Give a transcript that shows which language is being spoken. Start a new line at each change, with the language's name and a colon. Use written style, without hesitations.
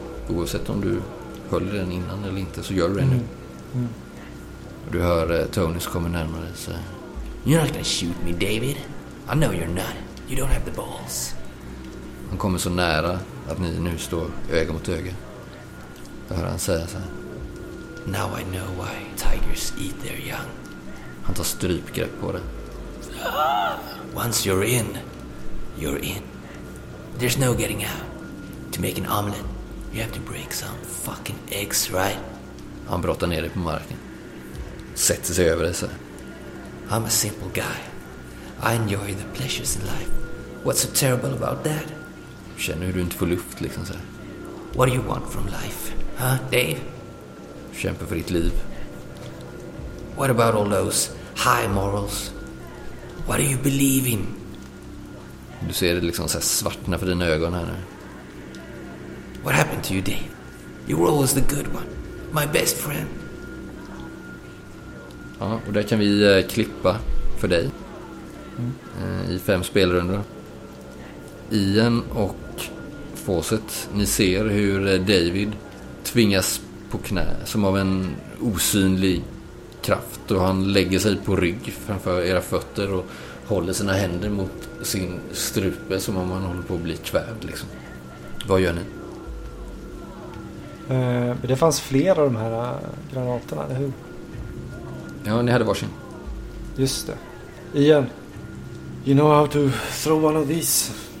Swedish: Oavsett om du höll den innan eller inte, så gör du det nu. Du hör Tony komma närmare och säga:
English: You're not gonna shoot me, David. I know you're not. You don't have the balls.
Swedish: Han kommer så nära att ni nu står öga mot öga. Då hör han säga så här:
English: Now I know why tigers eat their young.
Swedish: Han tar strypgrepp på det.
English: Once you're in, you're in. There's no getting out. To make an omelet, you have to break some fucking eggs, right?
Swedish: Han brottar ner dig på marken. Sätter sig över dig så.
English: I'm a simple guy. I enjoy the pleasures in life. What's so terrible about that?
Swedish: Känner hur du inte får luft liksom så.
English: What do you want from life, huh, Dave?
Swedish: Kämpa för ditt liv.
English: What about all those high morals? What do you believe in?
Swedish: Du ser det liksom så svartna för dina ögon här nu.
English: What happened to you, Dane? You were always the good one. My best friend.
Swedish: Ja, och där kan vi klippa för dig. I fem spelrunder. Ian och Fawcett, ni ser hur David tvingas på knä som av en osynlig kraft, och han lägger sig på rygg framför era fötter och håller sina händer mot sin strupe som om han håller på att bli kvävd liksom. Vad gör ni? Det fanns fler av de här granaterna, eller hur? Ja, ni hade varsin. Just det.
English: Ian, you know how to throw one of these?